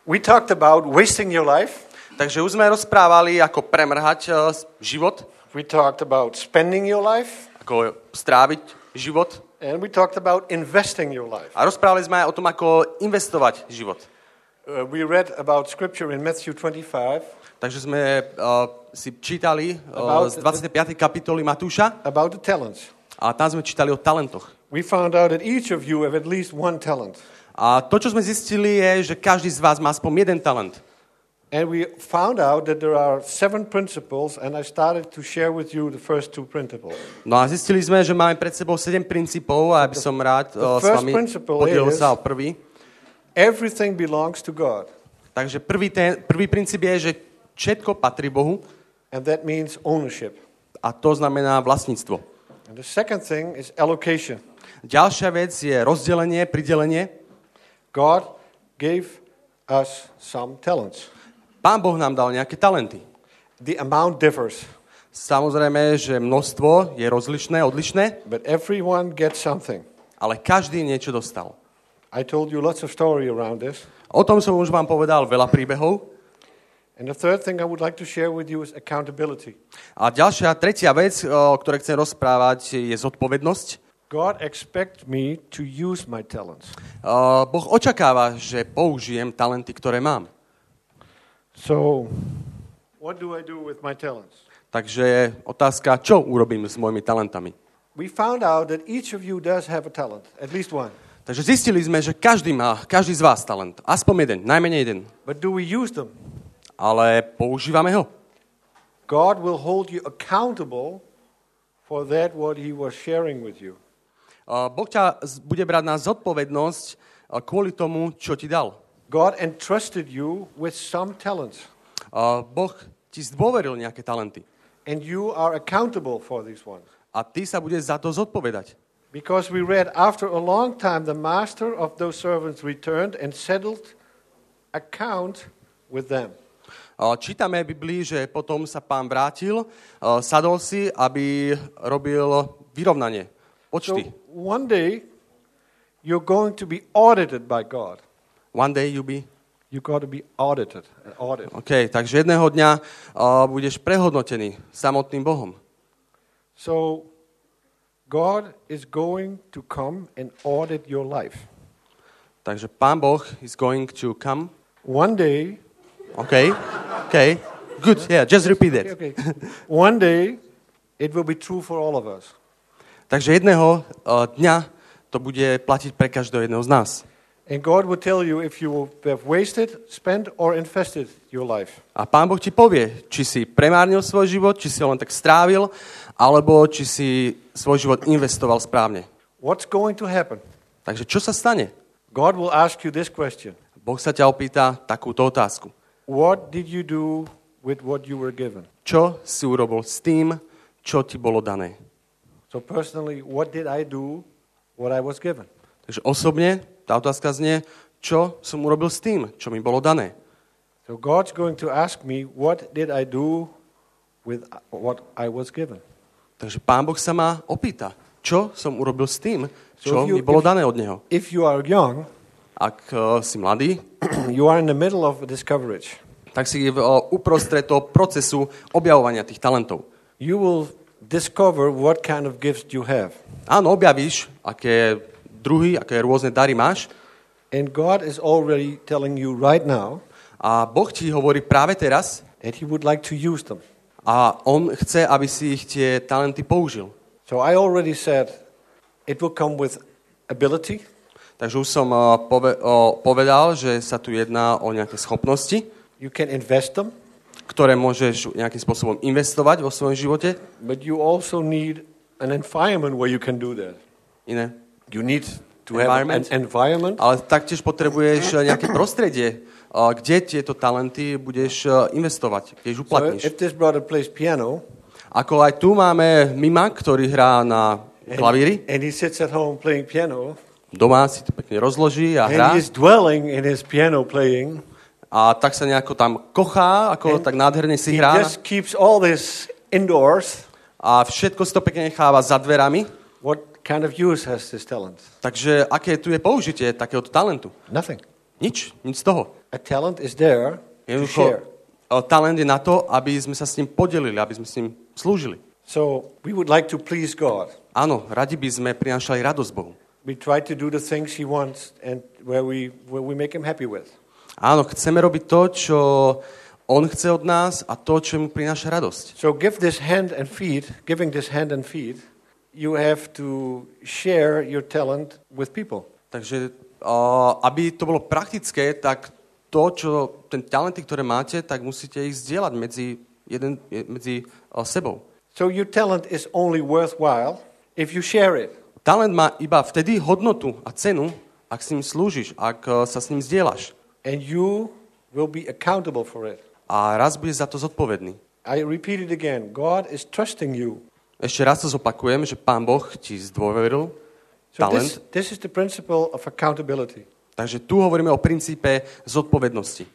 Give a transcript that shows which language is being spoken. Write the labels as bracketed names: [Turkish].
[English] We talked about wasting your life. [Slovak] Takže už sme rozprávali, ako premrhať život. [English] We talked about spending your life. [Slovak] Ako stráviť život. [English] And we talked about investing your life. [Slovak] A rozprávali sme aj o tom, ako investovať život. [English] We read about scripture in Matthew 25. [Slovak] Takže sme si čítali z 25. kapitoly Matúša. [English] About the talents. [Slovak] A tam sme čítali o talentoch. [English] We found out that each of you have at least one talent. [Slovak] A to, čo sme zistili, je, že každý z vás má aspoň jeden talent. [English] And we found out that there are seven principles and I started to share with you the first two principles. [Slovak] No a zistili sme, že máme pred sebou 7 princípov a ja by som rád s vami podielil sa o prvý. [English] Everything belongs to God. [Slovak] Takže prvý princíp je, že všetko patrí Bohu. [English] And that means ownership. [Slovak] A to znamená vlastníctvo. [English] And the second thing is allocation. [Slovak] Ďalšia vec je rozdelenie, pridelenie. [English] God gave us some talents. [Slovak] Pán Boh nám dal nejaké talenty. [English] The amount differs. [Slovak] Samozrejme, že množstvo je rozlišné, odlišné. [English] But everyone gets something. [Slovak] Ale každý niečo dostal. [English] I told you lots of story around this. [Slovak] O tom som už vám povedal veľa príbehov. [English] And the third thing I would like to share with you is accountability. [Slovak] A ďalšia, tretia vec, o ktorej chcem rozprávať, je zodpovednosť. [English] God expects me to use my talents. [Slovak] Boh očakáva, že použijem talenty, ktoré mám. [English] So, what do I do with my talents? [Slovak] Takže otázka, čo urobím s mojimi talentami? [English] We found out that each of you does have a talent, at least one. [Slovak] Takže zistili sme, že každý má, každý z vás talent, aspoň jeden, najmenej jeden. [English] But do we use them? [Slovak] Ale používame ho. [English] God will hold you accountable for that what he was sharing with you. [Slovak] Boh ťa bude brať na zodpovednosť kvôli tomu, čo ti dal. [English] God entrusted you with some talents. [Slovak] Boh ti zdôveril nejaké talenty. [English] And you are accountable for these ones. [Slovak] A ty sa budeš za to zodpovedať. [English] Because we read after a long time the master of those servants returned and settled account with them. [Slovak] Čítame v Biblii, že potom sa pán vrátil, sadol si, aby robil vyrovnanie, počty. [English] So one day you're going to be audited by God. One day you'll be... You've got to be audited. Audit. [Slovak] OK, takže jedného dňa budeš prehodnotený samotným Bohom. [English] So, God is going to come and audit your life. [Slovak] Takže Pán Boh [English] is going to come... One day... OK, OK, good, yeah, just repeat it. Okay, okay. One day, it will be true for all of us. [Slovak] Takže jedného dňa to bude platiť pre každého jedného z nás. [English] And God will tell you if you have wasted, spent or invested your life. [Slovak] A Pán Boh ti povie, či si premárnil svoj život, či si ho len tak strávil, alebo či si svoj život investoval správne. [English] What's going to happen? [Slovak] Takže čo sa stane? [English] God will ask you this question. [Slovak] Boh sa ťa opýta takúto otázku. [English] What did you do with what you were given? [Slovak] Čo si urobil s tým, čo ti bolo dané? [English] So personally, what did I do what I was given? [Slovak] Takže osobne tá otázka znie, čo som urobil s tým, čo mi bolo dané. [English] So God's going to ask me, what did I do with what I was given? [Slovak] Takže Pán Boh sa ma opýta, čo som urobil s tým, čo mi bolo dané od Neho. [English] If you are young, [Slovak] ak si mladý, [English] you are in the middle of a discovery. [Slovak] Tak si uprostred toho procesu objavovania tých talentov. [English] You will discover what kind of gifts you have. [Slovak] Áno, objavíš, aké druhý, aké rôzne dary máš. [English] And God is already telling you right now. [Slovak] A Boh ti hovorí práve teraz. [English] That he would like to use them. [Slovak] A on chce, aby si ich tie talenty použil. [English] So I already said it will come with ability. [Slovak] Takže už som povedal, že sa tu jedná o nejaké schopnosti. [English] You can invest them. [Slovak] Ktoré môžeš nejakým spôsobom investovať vo svojom živote. [English] But you also need an environment where you can do that. [Slovak] Iné. [English] You need to have an environment. [Slovak] Ale taktiež potrebuješ nejaké prostredie, kde tieto talenty budeš investovať, kde ich uplatníš. [English] So if this brother plays piano, [Slovak] ako aj tu máme Mima, ktorý hrá na klavíri. [English] And he sits at home playing piano. [Slovak] Doma si to pekne rozloží a hrá. [English] And he's dwelling in his piano playing. [Slovak] A tak sa nejako tam kochá, ako and tak nádherne si hrá. [English] He just keeps all this indoors. [Slovak] A všetko si to pekne necháva za dverami. [English] What kind of use has this talent? [Slovak] Takže aké tu je použitie takéhoto talentu? [English] Nothing. [Slovak] Nič, nič z toho. [English] A talent is there [Slovak] jednoducho, [English] to share. [Slovak] Talent je na to, aby sme sa s ním podelili, aby sme s ním slúžili. [English] So we would like to please God. [Slovak] Áno, radi by sme prinášali radosť Bohu. [English] We try to do the things he wants and where we make him happy with. [Slovak] Áno, chceme robiť to, čo on chce od nás a to, čo mu prináša radosť. [English] So give this hand and feet, giving this hand and feet, you have to share your talent with people. [Slovak] Takže aby to bolo praktické, tak to, čo ten talenty, ktoré máte, tak musíte ich zdieľať medzi sebou. [English] So your talent is only worthwhile if you share it. [Slovak] Talent má iba vtedy hodnotu a cenu, ak s ním slúžiš, ak sa s ním zdieľaš. [English] And you will be accountable for it. [Slovak] A raz budeš za to zodpovedný. [English] I repeat it again. God is trusting you. [Slovak] Ešte raz to zopakujem, že Pán Boh ti zdôveril talent. [English] So this is the principle of accountability. [Slovak] Takže tu hovoríme o princípe zodpovednosti.